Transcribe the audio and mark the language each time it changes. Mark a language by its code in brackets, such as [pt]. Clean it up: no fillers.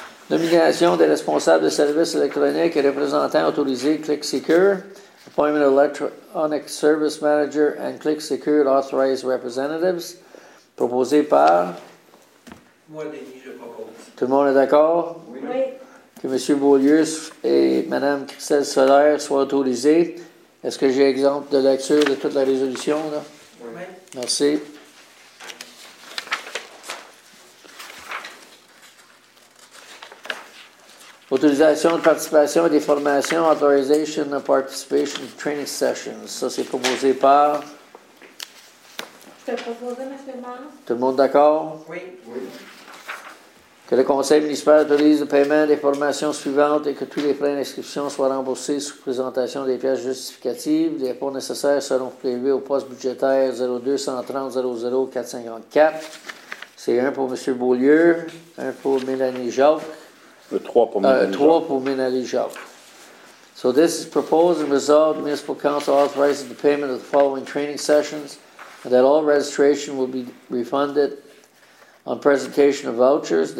[fr] Nomination des responsables de services électroniques et représentants autorisés Click Secure. [en] Appointment of Electronic Service Manager and Click Secure Authorized Representatives. [fr] Proposé par. Moi, Denis, je propose. Tout le monde est d'accord? Oui. Que M. Beaulieu et Mme Christelle Solaire soient autorisés. Est-ce que j'ai exemple de lecture de toute la résolution, là? Oui. Merci. Autorisation de participation et des formations, [en] authorization of participation in training sessions. [fr] Ça, c'est proposé par. C'est proposé, M. le maire. Tout le monde d'accord? Oui. Que le conseil municipal autorise le paiement des formations suivantes et que tous les frais d'inscription soient remboursés sous présentation des pièces justificatives. Les fonds nécessaires seront prélevés au poste budgétaire 02-130-00-454. C'est un pour M. Beaulieu, un pour Mélanie Jacques. [en] So this is proposed and resolved. The Municipal Council authorizes the payment of the following training sessions and that all registration will be refunded on presentation of vouchers.